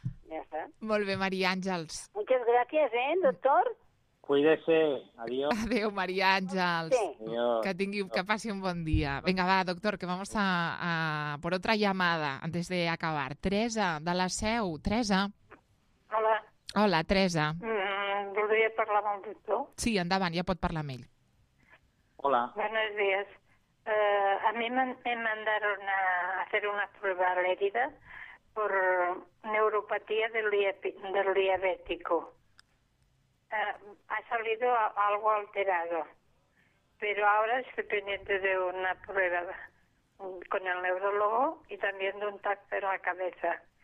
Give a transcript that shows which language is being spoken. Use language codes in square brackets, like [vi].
[ca] Ja està. Molt bé, Maria Àngels. [es] Muchas gracias, doctor. Cuídese. Adiós. Adiós, María Ángels. Adiós. Que pase un buen día. Venga, va, doctor, que vamos a por otra llamada antes de acabar. Teresa, de la Seu. Teresa. Hola, Teresa. [ca] Voldria parlar amb el doctor. Sí, endavant, ja pot parlar amb ell. Hola. [es] Buenos días. A mí me mandaron a hacer una prueba a Lérida por neuropatía del diabético. Ha salido algo alterado, pero ahora estoy pendiente de una prueba con el neurólogo y también de un TAC en la cabeza.